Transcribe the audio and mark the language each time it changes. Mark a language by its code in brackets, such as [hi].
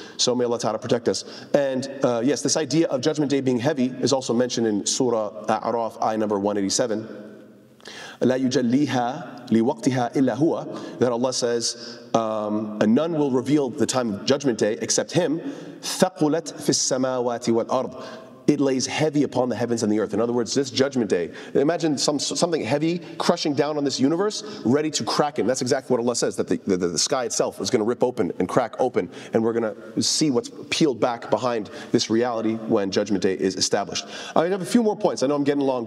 [en] So may Allah Ta'ala protect us. And yes, this idea of Judgment Day being heavy is also mentioned in Surah A'raf, ayah number 187. [ar] لا يجليها لوقتها إلا هو, [en] that Allah says, none will reveal the time of Judgment Day except him. [ar] ثقلت في السماوات والأرض. [en] It lays heavy upon the heavens and the earth. In other words, this Judgment Day, imagine something heavy crushing down on this universe, ready to crack it. That's exactly what Allah says, that the sky itself is going to rip open and crack open, and we're going to see what's peeled back behind this reality when Judgment Day is established. I have a few more points. I know I'm getting long.